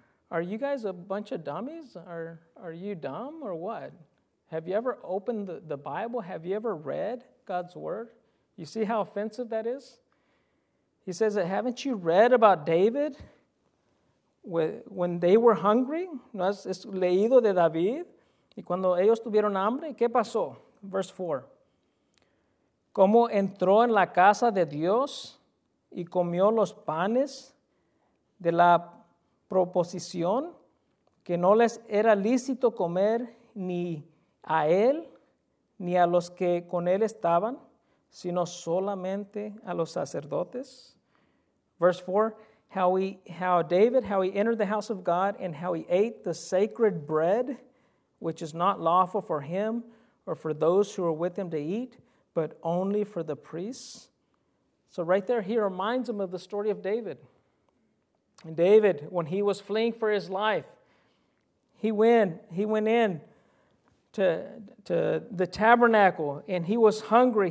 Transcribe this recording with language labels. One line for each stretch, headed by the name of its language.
English: Are you guys a bunch of dummies? Are you dumb or what? Have you ever opened the Bible? Have you ever read God's word? You see how offensive that is? He says that, haven't you read about David when they were hungry?
Spanish: ¿No has leído de David? Y cuando ellos tuvieron hambre, ¿qué pasó?
English: Verse 4.
Spanish: ¿Cómo entró en la casa de Dios y comió los panes de la proposición que no les era lícito comer ni a él ni a los que con él estaban, sino solamente a los sacerdotes?
English: Verse 4, how David entered the house of God and how he ate the sacred bread, which is not lawful for him or for those who are with him to eat, but only for the priests. So right there, he reminds them of the story of David. And David, when he was fleeing for his life, he went in to the tabernacle, and he was hungry.